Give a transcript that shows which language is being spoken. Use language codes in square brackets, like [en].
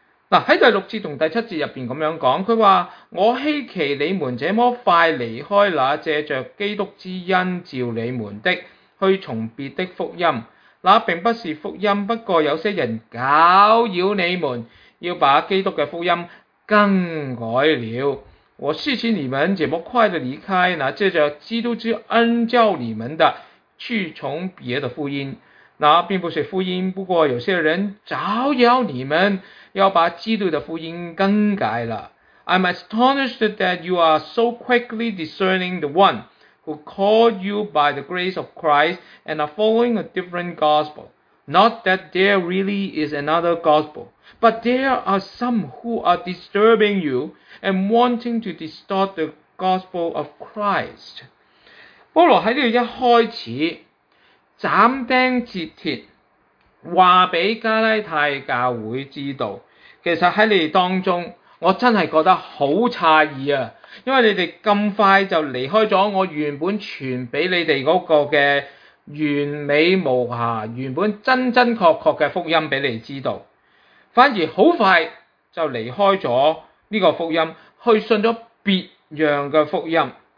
[zh] 在第六节和第七节里面这样讲，他说我希奇你们这么快离开那借着基督之恩召你们的去从别的福音，那并不是福音，不过有些人搅扰你们，要把基督的福音更改了。我希奇你们怎么快地离开那借着基督之恩召你们的去从别的福音，那并不是福音，不过有些人搅扰你们，要把基督的福音更改了。 [en] I'm astonished that you are so quickly discerning the one who called you by the grace of Christ and are following a different gospel. Not that there really is another gospel, but there are some who are disturbing you and wanting to distort the gospel of Christ. [zh] 保罗在这里一开始斩钉截铁话给加拉太教会知道，其实在你们当中我真的觉得很诧异啊，因为你们这么快就离开了我原本传给你们那个的完美无瑕原本真真确确的福音给你们知道，反而很快就离开了这个福音去信了别样的福音。